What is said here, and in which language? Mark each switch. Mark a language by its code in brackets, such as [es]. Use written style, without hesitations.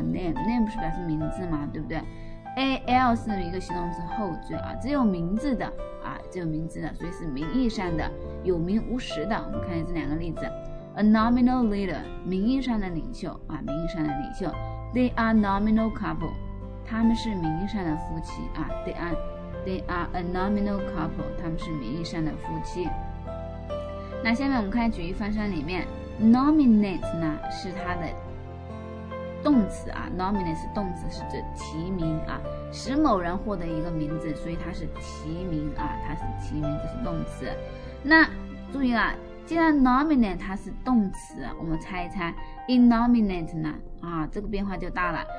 [zh] name 不是表示名字吗，对不对？A-L 是一个形容词后缀啊，只有名字的啊，只有名字的，所以是名义上的，有名无实的。我们看一下这两个例子。 [en] A nominal leader [zh] 名义上的领袖啊，名义上的领袖。 [en] They are nominal couple [zh] 他们是名义上的夫妻啊。 [en] They are a nominal couple [zh] 他们是名义上的夫妻。那下面我们看举一反三里面 nominate 呢是它的动词啊。 nominate 是动词，是指提名啊，使某人获得一个名字，所以它是提名啊，它是提名，这是动词。那注意了，既然 nominate 它是动词，我们猜一猜 innominate 呢啊，这个变化就大了。